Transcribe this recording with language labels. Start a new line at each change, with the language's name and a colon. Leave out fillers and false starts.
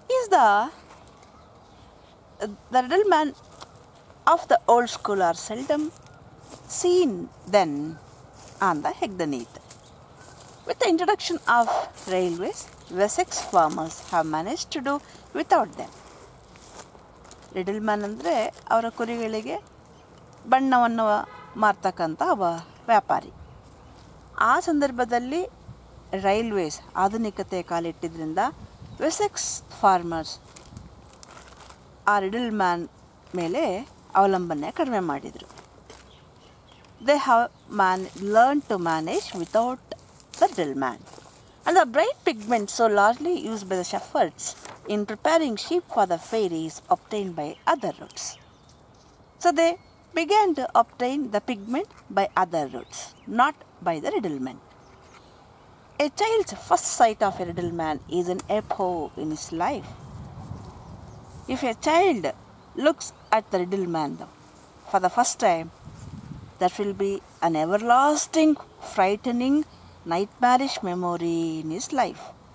English: The riddle man of the old school are seldom seen then on the Hegdenith. With the introduction of railways, Wessex farmers have managed to do without them.
Kannada: Riddle man andre avara kurigalige bannavannu ಮಾರ್ತಕ್ಕಂಥ ಒಬ್ಬ ವ್ಯಾಪಾರಿ. ಆ ಸಂದರ್ಭದಲ್ಲಿ railways ಆಧುನಿಕತೆ ಕಾಲಿಟ್ಟಿದ್ದರಿಂದ ವೆಸೆಕ್ಸ್ farmers ಆ Riddle man ಮೇಲೆ ಅವಲಂಬನೆ ಕಡಿಮೆ ಮಾಡಿದರು.
English: They have man learn to manage without the riddle man. And the bright pigment so largely used by the shepherds in preparing sheep for the fairs obtain by other routes. So they began to obtain the pigment by other routes, not by the riddle man. A child's first sight of a riddle man is an epoch in his life. If a child looks at the riddle man for the first time, that will be an everlasting, frightening, nightmarish memory in his life.